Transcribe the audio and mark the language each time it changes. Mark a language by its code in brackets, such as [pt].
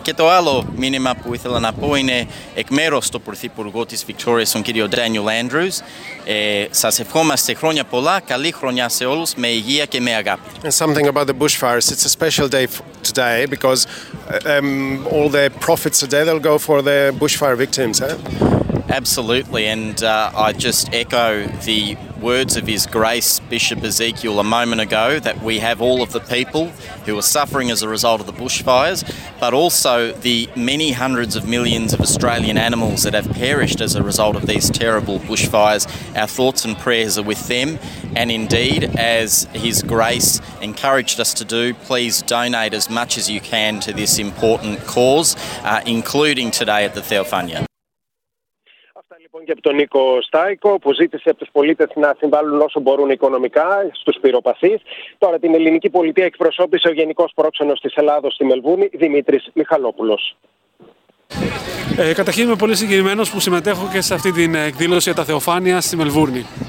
[el] Και το άλλο μήνυμα που ήθελα να πω είναι εκ μέρους του Πρωθυπουργού της Βικτώριας, τον κύριο Daniel Andrews. Σας ευχόμαστε χρόνια πολλά, καλή χρονιά σε όλους, με υγεία και με αγάπη. [en] And something about the bushfires, it's a special day today because all the profits today, they'll go for the bushfire victims. Eh? Absolutely, and I just echo the words of His Grace Bishop Ezekiel a moment ago, that we have all of the people who are suffering as a result of the bushfires, but also the many hundreds of millions of Australian animals that have perished as a result of these terrible bushfires. Our thoughts and prayers are with them, and indeed, as His Grace encouraged us to do, please donate as much as you can to this important cause, including today at the Theophania. [el] Και από τον Νίκο Στάικο, που ζήτησε από τους πολίτες να συμβάλλουν όσο μπορούν οικονομικά στους πυροπαθείς. Τώρα, την ελληνική πολιτεία εκπροσώπησε ο Γενικός Πρόξενος της Ελλάδος στη Μελβούρνη, Δημήτρης Μιχαλόπουλος. Καταρχήν είμαι πολύ συγκινημένος που συμμετέχω και σε αυτή την εκδήλωση για τα Θεοφάνεια στη Μελβούρνη.